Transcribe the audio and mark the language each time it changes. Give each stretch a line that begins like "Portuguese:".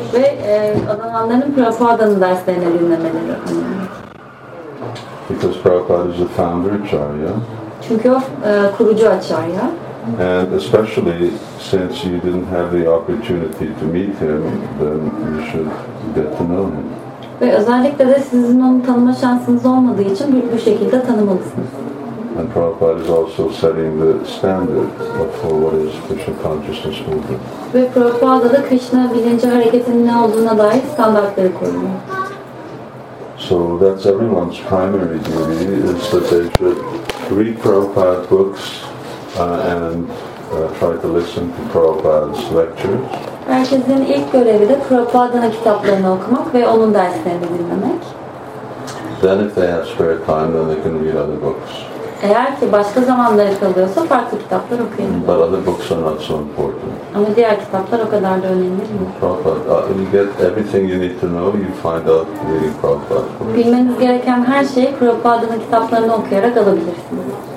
Turkish: Ve adananların Prabhupada'nın derslerini dinlemeleri.
English: Because Prabhupada is the founder, Acharya.
Turkish: Çünkü o kurucu Acharya.
English: And especially since you didn't have the opportunity to meet him, then you should get to know him.
Turkish: Ve özellikle de sizin onu tanıma şansınız olmadığı için bu şekilde tanımalısınız.
English: And Prabhupada is also setting the standard for what is Krishna consciousness movement.
Turkish: Ve Prabhupada da Krishna bilinci hareketinin ne olduğuna dair standartları koyuyor.
English: So that's everyone's primary duty, is that they should read Prabhupada books and try to listen to Prabhupada's lectures.
Turkish: Herkesin ilk görevi de Prabhupada'nın kitaplarını okumak ve onun derslerini dinlemek.
English: Then if they have spare time, then they can read other books.
Turkish: Eğer ki başka zamanları kalıyorsa farklı kitaplar okuyabilir.
English: But other books are not so important.
Turkish: Ama diğer kitaplar o kadar da önemli değil mi?
English: Prabhupada, you get everything you need to know, you find out reading Prabhupada's books.
Turkish: Bilmeniz gereken her şeyi Prabhupada'nın kitaplarını okuyarak alabilirsiniz.